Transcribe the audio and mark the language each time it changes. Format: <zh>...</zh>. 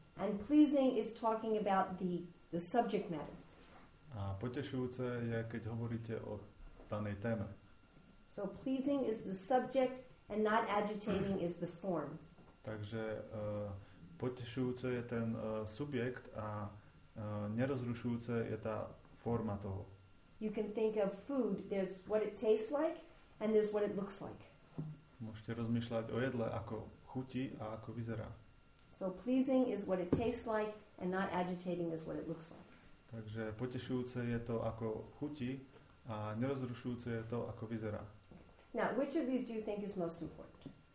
<en>And pleasing is talking about the subject matter.</en> <sk>A potešujúce je, keď hovoríte o danej téme.</sk> <en>So pleasing is the subject and not agitating is the form.</en> <sk>Takže potešujúce je ten subjekt a nerozrušujúce je tá forma toho.</sk> <en>You can think of food, there's what it tastes like and there's what it looks like.</en> <sk>Môžete rozmýšľať o jedle, ako chutí a ako vyzerá.</sk> <en>So pleasing is what it tastes like and not agitating is what it looks like.</en> <sk>Takže potešujúce je to, ako chutí, a nerozrušujúce je to, ako vyzerá.</sk> <en>Now, which of these do you think is most important?</en>